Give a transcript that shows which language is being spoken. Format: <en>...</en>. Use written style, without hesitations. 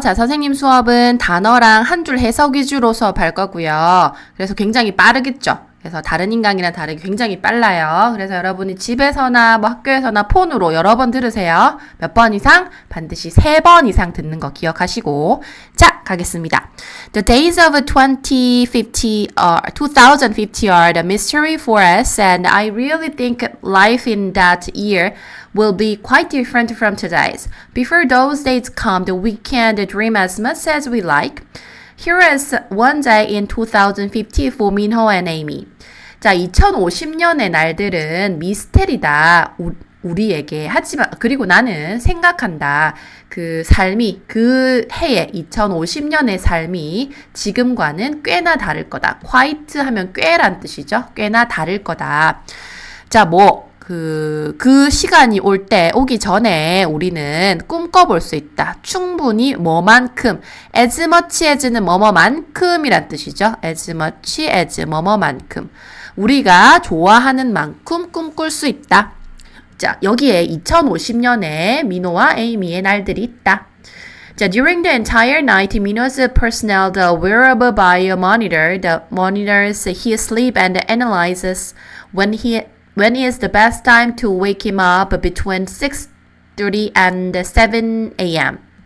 <ko>자, 선생님 수업은 단어랑 한 줄 해석 위주로 수업할 거고요. 그래서 굉장히 빠르겠죠? 그래서 다른 인간이랑 다르게 굉장히 빨라요. 그래서 여러분이 집에서나 뭐 학교에서나 폰으로 여러 번 들으세요. 몇 번 이상? 반드시 세 번 이상 듣는 거 기억하시고. 자, 가겠습니다.</ko> <en>The days of 2050 are the mystery for us, and I really think life in that year will be quite different from today's. Before those days come, we can dream as much as we like. Here is one day in 2050 for Minho and Amy.</en> <ko>자, 2050년의 날들은 미스테리다. 우리에게. 하지만, 그리고 나는 생각한다. 그 삶이, 그 해에, 2050년의 삶이 지금과는 꽤나 다를 거다. Quite 하면 꽤란 뜻이죠. 꽤나 다를 거다. 자, 뭐. 그 시간이 올 때, 오기 전에 우리는 꿈꿔볼 수 있다. 충분히 뭐만큼,</ko> <en>as much as</en> <ko>는 뭐뭐만큼이란 뜻이죠.</ko> <en>as much as 뭐뭐만큼.</en> <ko>우리가 좋아하는 만큼 꿈꿀 수 있다. 자, 여기에 2050년에 미노와 에이미의 날들이 있다.</ko> <en>자, during the entire night, Mino's personnel, the wearable bio monitor, the monitors his sleep and analyzes when is the best time to wake him up between 6:30 and 7 a.m.</en>